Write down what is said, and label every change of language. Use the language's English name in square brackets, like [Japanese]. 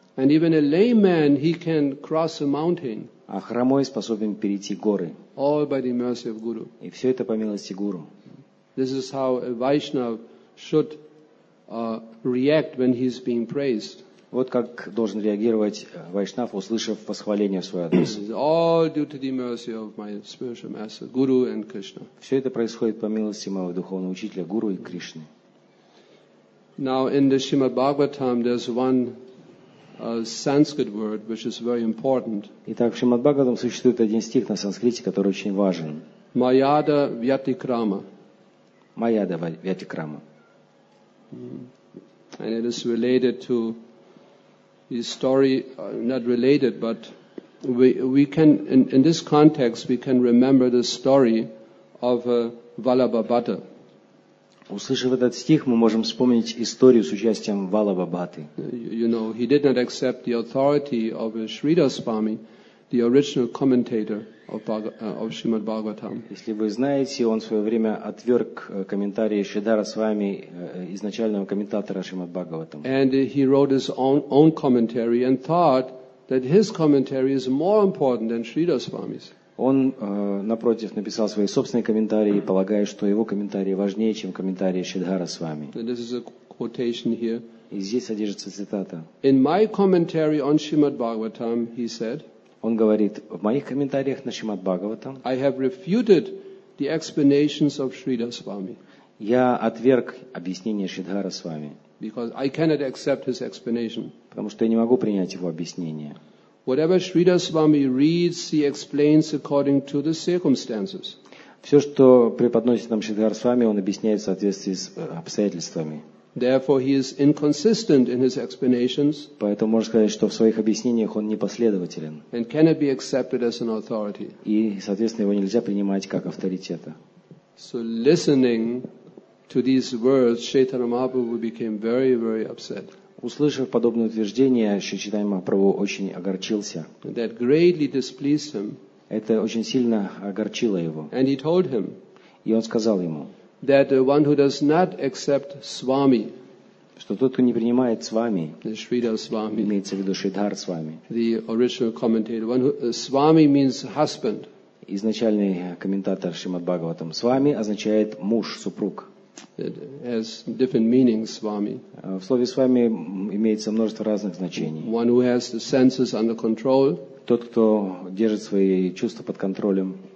[English] And even a layman, he can cross a mountain. [Russian] А хромой способен перейти горы. [English] All by the mercy of Guru. [Russian] И все это по милости Гуру. [English] This is how a Vaishnav should react when he's being praised. [Russian] Вот как должен реагировать вайшнав, услышав восхваление в свой адрес. [English] All due to the mercy of my spiritual master, Guru and Krishna. [Russian] Все это происходит по милости моего духовного учителя Гуру и Кришны. [English] Now in the Srimad Bhagavatam there's one Sanskrit word which is very important. [Russian] Итак, в Шримад Бхагаватам существует один стих на санскрите, который очень важен. [Sanskrit] Маяда вятикрама. Маяда вятикрама. [English] And it is related to the story, not related, but we can in this context we can remember the story of Vallabha Bhatta. [Russian] Услышав этот стих, мы можем вспомнить историю с участием Валлабха Бхатты. [English] You know, he did not accept the authority of Sridhar Swami, the original commentator of Srimad Bhagavatam. [Russian] Если вы знаете, он в свое время отверг комментарии Шридхара Свами, изначального комментатора Шримад Бхагаватам. [English] And he wrote his own commentary and thought that his commentary is more important than Sridhar Swami's. [Russian] Он, напротив, написал свои собственные комментарии, полагая, что его комментарии важнее, чем комментарии Шридхара Свами. [English] This is a quotation here. [Russian] И здесь содержится цитата. [English] In my commentary on Srimad Bhagavatam, he said, [Russian] он говорит, в моих комментариях на Шримад Бхагаватам [English] I have refuted the explanations of Sridhara Swami. [Russian] Я отверг объяснение Шридхара Свами. [English] Because I cannot accept his explanation. [Russian] Потому что я не могу принять его объяснение. [English] Whatever Sridhara Swami reads, he explains according to the circumstances. [Russian] Все, что преподносит нам Шридхара Свами, он объясняет в соответствии с обстоятельствами. [English] Therefore, he is inconsistent in his explanations. [Russian] Поэтому можно сказать, что в своих объяснениях он непоследователен. [English] And cannot be accepted as an authority. [Russian] И, соответственно, его нельзя принимать как авторитета. [English] So, listening to these words, Chaitanya Mahaprabhu became very, very upset. [Russian] Услышав подобное утверждение, Шри Чайтанья Махапрабху очень огорчился. [English] That greatly displeased him. [Russian] Это очень сильно огорчило его. [English] And he told him, [Russian] и он сказал ему, [English] that one who does not accept Swami, [Russian] что тот, кто не принимает Свами, Шридхар Свами, имеется в виду Шридхар Свами, [English] the original commentator, one who, Swami means husband. [Russian] Изначальный комментатор Шримад Бхагаватам. Свами означает муж, супруг. [English] It has different meanings, Swami. [Russian] В слове Свами имеется множество разных значений. [English] One who has the senses under control. [Russian] Тот, кто держит свои чувства под контролем.